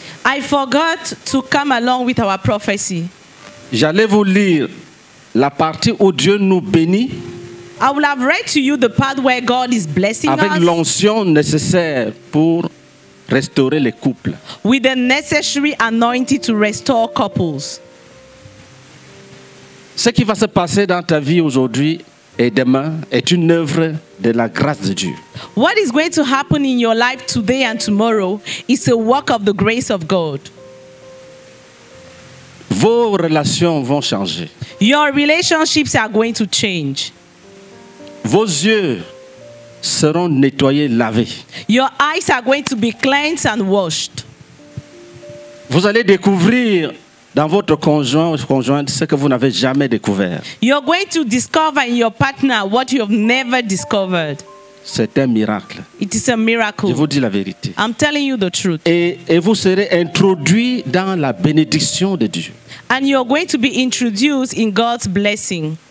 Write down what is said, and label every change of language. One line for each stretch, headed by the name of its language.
English: I forgot to come along with our prophecy.
French: J'allais vous lire la partie où Dieu nous bénit.
English: I will have read to you the part where God is blessing
French: avec
English: us.
French: Avec l'onction nécessaire pour restaurer les couples.
English: With the necessary anointing to restore couples.
French: Ce qui va se passer dans ta vie aujourd'hui et demain est une œuvre de la grâce de Dieu.
English: What is going to happen in your life today and tomorrow is a work of the grace of God.
French: Vos relations vont changer.
English: Your relationships are going to change.
French: Vos yeux seront nettoyés, lavés.
English: Your eyes are going to be cleansed and washed.
French: Vous allez découvrir dans votre conjoint ou conjointe ce que vous n'avez jamais découvert.
English: You're going to discover in your partner what you have never discovered.
French: C'est un miracle.
English: It is a miracle.
French: Je vous dis la vérité.
English: I'm telling you the truth.
French: Et vous serez introduit dans la bénédiction de Dieu.
English: And you're going to be introduced in God's blessing.